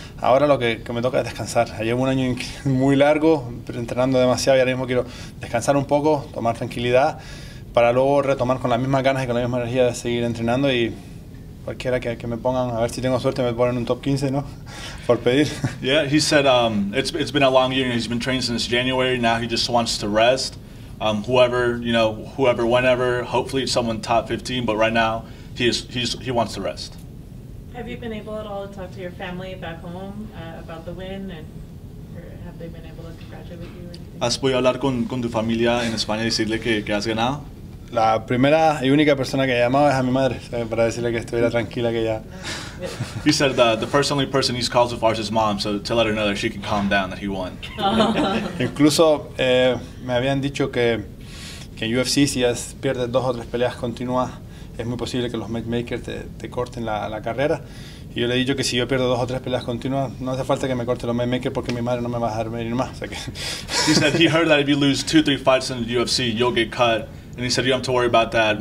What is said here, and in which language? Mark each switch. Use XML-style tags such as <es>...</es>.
<es>Ahora lo que me toca es descansar. Llevo un año muy largo entrenando demasiado y ahora mismo quiero descansar un poco, tomar tranquilidad, para luego retomar con las mismas ganas y con la misma energía de seguir entrenando. Y cualquiera que me pongan, a ver si tengo suerte, me ponen un top 15, ¿no? Por pedir.</es> <en>Yeah, he said it's been a long year, and he's been training since January. Now he just wants to rest. Whoever, you know, whoever, whenever, hopefully someone top 15, but right now he wants to rest. Have you been able at all to talk to your family back home about the win, and have they been able to congratulate you?</en> <es>¿Has podido hablar con tu familia en España y decirle que has ganado? La primera y única persona que he llamado es a mi madre, ¿sabes? Para decirle que estuviera tranquila, que ya.</es> <en>He said the first only person he's called so far is his mom, so to let her know that she can calm down, that he won.</en> <es>Incluso me habían dicho que en UFC, si has pierdes dos o tres peleas continuas, es muy posible que los matchmakers te corten la carrera. Y yo le he dicho que si yo pierdo dos o tres peleas continuas, no hace falta que me corte los matchmakers porque mi madre no me va a dejar venir más. O sea que</es> <en>he said he heard that if you lose two, three fights in the UFC, you'll get cut. And he said, you don't have to worry about that.</en>